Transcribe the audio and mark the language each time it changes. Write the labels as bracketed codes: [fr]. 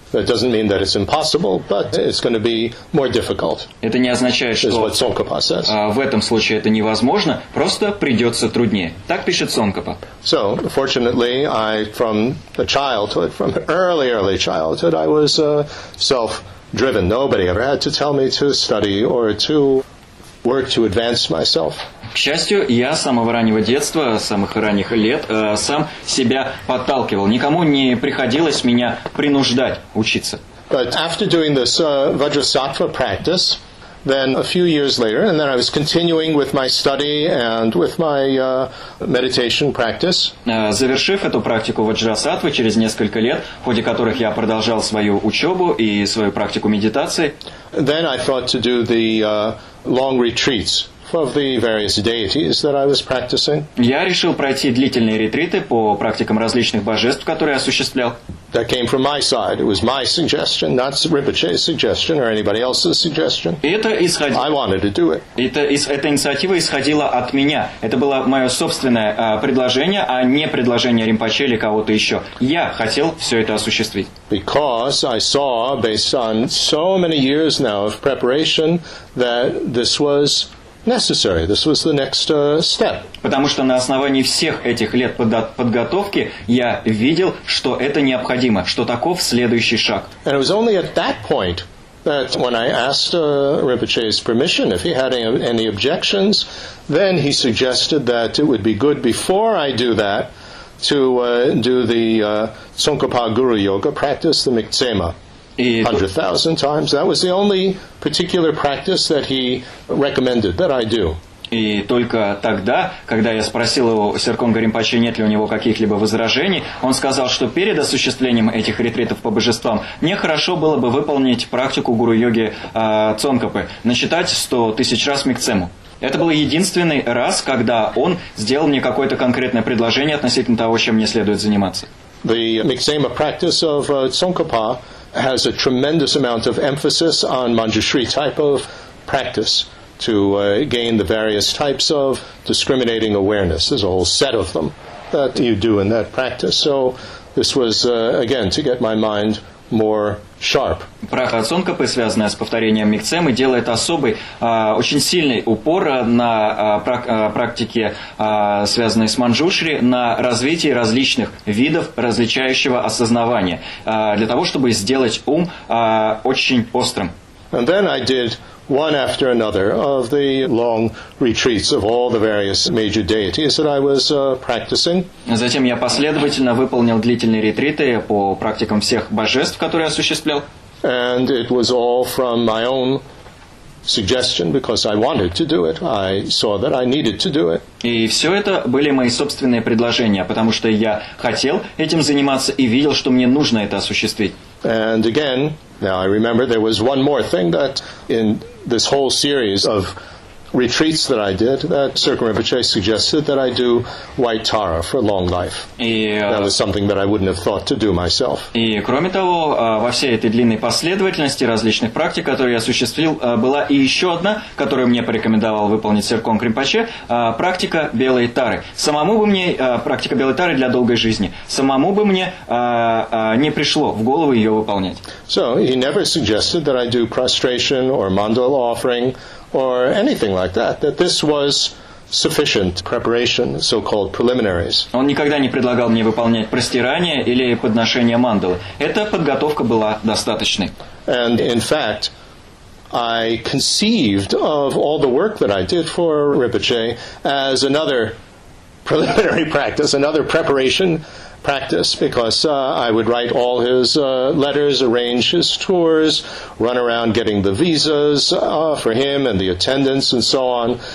[en] That doesn't mean that it's impossible, but it's going to be more difficult. [ru] Это не означает, что в этом случае это невозможно, просто придется труднее. Так пишет Цонкопа. [en] So, fortunately, I, from a childhood, from early childhood, I was self driven. Nobody ever had to tell me to study or to work to advance myself. [ru] К счастью, я с самого раннего детства, с самых ранних лет, сам себя подталкивал. Никому не приходилось меня принуждать учиться. [en] But after doing this Vajrasattva practice, then a few years later, and then I was continuing with my study and with my meditation practice. [ru] Завершив эту практику Ваджрасаттвы, через несколько лет, в ходе которых я продолжал свою учебу и свою практику медитации, [en] then I thought to do the long retreats of the various deities that I was practicing. [ru] Я решил пройти длительные ретриты по практикам различных божеств, которые я осуществлял. [en] That came from my side. It was my suggestion, not Rinpoche's suggestion or anybody else's suggestion. I wanted to do it. [ru] Эта инициатива исходила от меня. Это было мое собственное предложение, а не предложение Ринпоче или кого-то еще. Я хотел все это осуществить. [en] Because I saw, based on so many years now of preparation, that this was necessary. This was the next step. [ru] Потому что на основании всех этих лет подготовки я видел, что это необходимо, что таков следующий шаг. [en] And it was only at that point that when I asked Rinpoche's permission, if he had any objections, then he suggested that it would be good before I do that to do the Tsongkhapa Guru Yoga practice, the Miktsema. 100,000 times. That was the only particular practice that he recommended that I do. [ru] И только тогда, когда я спросил у Серконга Ринпоче, нет ли у него каких-либо возражений, он сказал, что перед осуществлением этих ретритов по божествам мне хорошо было бы выполнить практику гуру-йоги Цонкопы, начитать 100 тысяч раз Миктсему. Это был единственный раз, когда он сделал мне какое-то конкретное предложение относительно того, чем мне следует заниматься. [en] The Miktsema practice of Tsongkhapa has a tremendous amount of emphasis on Manjushri type of practice to gain the various types of discriminating awareness. There's a whole set of them that you do in that practice. So this was, again, to get my mind more sharp. [ru] Практика Цонкопы, связанная с повторением Миктсемы, делает особый, очень сильный упор на практике, связанной с Манджушри, на развитии различных видов различающего осознавания, для того, чтобы сделать ум очень острым. [en] And then I did one after another of the long retreats of all the various major deities that I was practicing. [ru] Затем я последовательно выполнил длительные ретриты по практикам всех божеств, которые я осуществлял. [en] And it was all from my own suggestion, because I wanted to do it. I saw that I needed to do it. [ru] И все это были мои собственные предложения, потому что я хотел этим заниматься и видел, что мне нужно это осуществить. [en] And again, now I remember there was one more thing that in this whole series of retreats that I did, that Serkan Rinpoche suggested that I do white tara for long life. That was something that I wouldn't have thought to do myself. [ru] И кроме того, во всей этой длинной последовательности различных практик, которые я осуществил, была и еще одна, которую мне порекомендовал выполнить Серкан Ринпоче, практика белой тары. Самому бы мне практика белой тары для долгой жизни. Самому бы мне не пришло в голову ее выполнять. [en] So he never suggested that I do prostration or mandala offering or anything like that, that this was sufficient preparation, so-called preliminaries. [ru] Он никогда не предлагал мне выполнять простирание или подношение мандалы. Эта подготовка была достаточной. [en] And in fact, I conceived of all the work that I did for Rinpoche as another preliminary practice, another preparation practice, because I would write all his letters, arrange his tours, run around getting the visas for him and the attendants and so on.